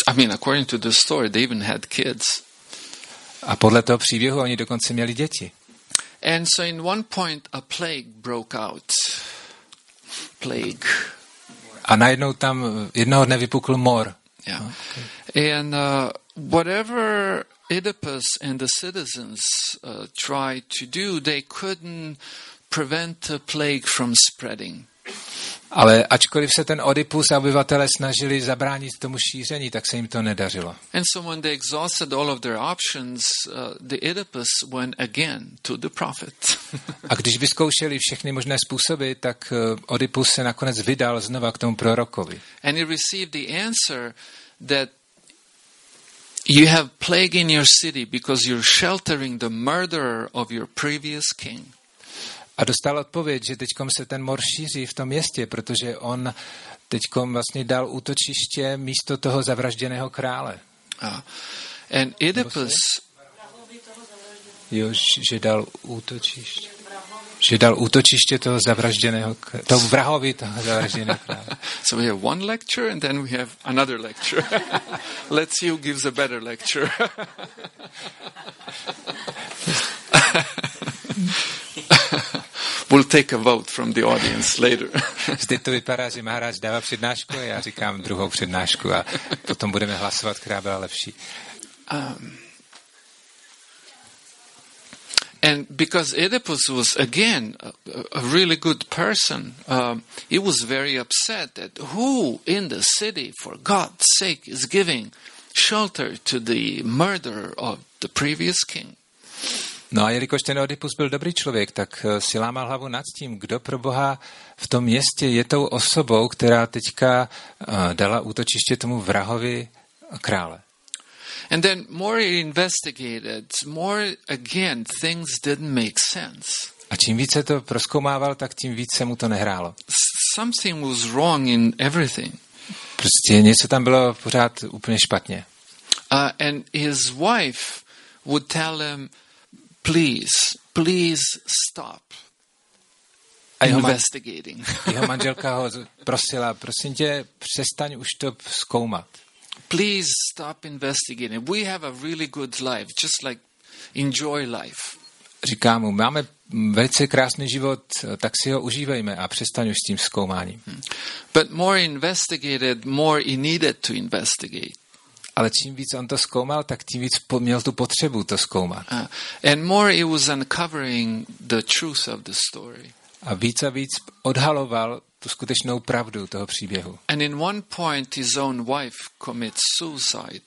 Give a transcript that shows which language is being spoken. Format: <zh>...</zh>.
<en>According to the story, they even had kids.</en> <cs>A podle toho příběhu oni dokonce měli děti.</cs> <en>And so in one point a plague broke out. Plague.</en> <cs>A najednou tam jednoho dne vypukl mor.</cs> <en>Yeah. Okay. And whatever Oedipus and the citizens tried to do, they couldn't prevent the plague from spreading.</en> <cs>Ale ačkoliv se ten Oedipus a obyvatele snažili zabránit tomu šíření, tak se jim to nedařilo.</cs> <en>And so when they exhausted all of their options, the Oedipus went again to the prophet.</en> <cs>A když vyzkoušeli všechny možné způsoby, tak Oedipus se nakonec vydal znova k tomu prorokovi.</cs> <en>And he received the answer that you have plague in your city because you're sheltering the murderer of your previous king.</en> <cs>A dostal odpověď, že teďkom se ten mor šíří v tom městě, protože on teďkom vlastně dal útočiště místo toho zavražděného krále.</cs> <en>And Oedipus...</en> <cs>Jo, že dal útočiště. Že dal útočiště toho zavražděného krále. To vrahovi toho zavražděného krále.</cs> <en>So we have one lecture and then we have another lecture. Let's see who gives a better lecture. We'll take a vote from the audience later.</en> <cs>Zde to vypadá, že Maharaj dává přednášku a já říkám druhou přednášku a potom budeme hlasovat, která byla lepší.</cs> <en>And because Oedipus was again a really good person, he was very upset that who in the city, for God's sake, is giving shelter to the murderer of the previous king.</en> <cs>No a jelikož ten Oedipus byl dobrý člověk, tak si lámal hlavu nad tím, kdo pro Boha v tom městě je tou osobou, která teďka dala útočiště tomu vrahovi krále.</cs> <en>And then more he investigated, more again things didn't make sense.</en> <cs>A čím více to prozkoumával, tak tím více mu to nehrálo.</cs> <en>Something was wrong in everything.</en> <cs>Prostě něco tam bylo pořád úplně špatně.</cs> <en>And his wife would tell him, please, please stop. investigating.</en> <cs>Jeho manželka ho prosila, prosím tě, přestaň už to zkoumat.</cs> <en>Please stop investigating. We have a really good life, just like enjoy life.</en> <cs>Říká mu, máme velice krásný život, tak si ho užívejme a přestaň už s tím zkoumáním.</cs> <en>But more investigated, more he needed to investigate.</en> <cs>Ale čím víc on to zkoumal, tak tím víc měl tu potřebu to zkoumat.</cs> <en>And more he was uncovering the truth of the story.</en> <cs>A víc odhaloval tu skutečnou pravdu toho příběhu.</cs> <en>And in one point his own wife commits suicide.</en>